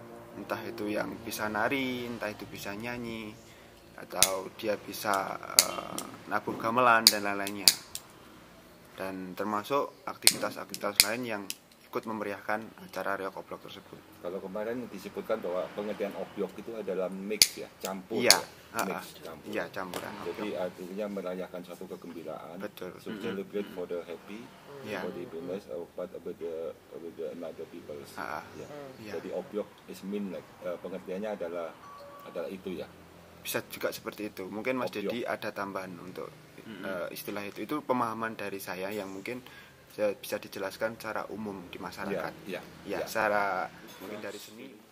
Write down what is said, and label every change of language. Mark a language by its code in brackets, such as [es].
[id] Entah itu yang bisa nari, entah itu bisa nyanyi, atau dia bisa nabuh gamelan dan lain-lainnya. Dan termasuk aktivitas-aktivitas lain yang ikut memeriahkan acara reok obyok tersebut. Kalau kemarin disebutkan bahwa pengertian obyok itu adalah mix ya, campur. Iya, campur. Iya, campuran. Jadi artinya merayakan suatu kegembiraan. Betul. [en] So celebrate for the happy, for the business, but with the another people. [id] Jadi obyok [en] is mean like [id] pengertiannya adalah itu ya. Bisa juga seperti itu. Mungkin Mas Deddy ada tambahan untuk istilah itu. Itu pemahaman dari saya yang mungkin bisa dijelaskan secara umum di masyarakat. Ya. Secara mungkin dari seni.